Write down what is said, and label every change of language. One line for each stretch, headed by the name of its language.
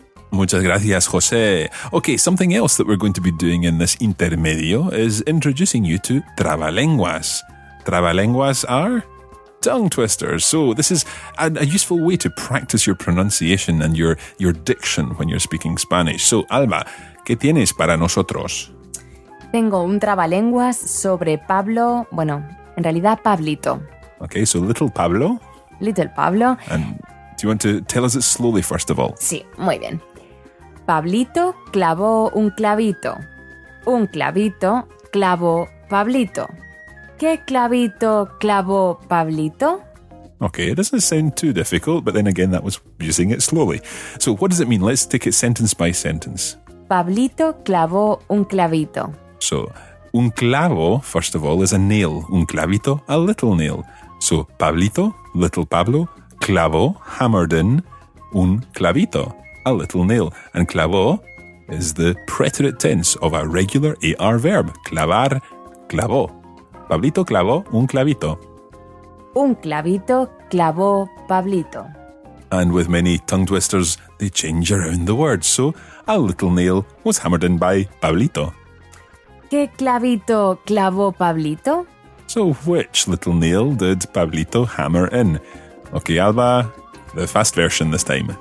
Spanish: Muchas gracias, José.
English: Okay, something else that we're going to be doing in this intermedio is introducing you to trabalenguas. Trabalenguas are tongue twisters. So this is a useful way to practice your pronunciation and your diction when you're speaking Spanish.
Spanish: So, Alba, ¿qué tienes para nosotros? Tengo un trabalenguas sobre Pablo, bueno, en realidad Pablito.
English: Okay, so little Pablo. Little Pablo. And do you want to tell us it slowly first of all?
Spanish: Sí, muy bien. Pablito clavó un clavito. Un clavito clavó Pablito. ¿Qué clavito clavó Pablito?
English: Okay, it doesn't sound too difficult, but then again, that was using it slowly. So what does it mean? Let's take it sentence by sentence.
Spanish: Pablito clavó un clavito.
English: So,
Spanish: un clavo,
English: first of all, is a nail.
Spanish: Un clavito,
English: a little nail. So, Pablito, little Pablo, clavó, hammered in,
Spanish: un clavito,
English: a little nail. And clavó is the preterite tense of a regular AR verb.
Spanish: Clavar, clavó. Pablito clavó un clavito. Un clavito clavó Pablito.
English: And with many tongue twisters, they change around the words. So, a little nail was hammered in by Pablito.
Spanish: ¿Qué clavito clavó Pablito?
English: So, which little nail did Pablito hammer in? Ok, Alba, the fast version this time.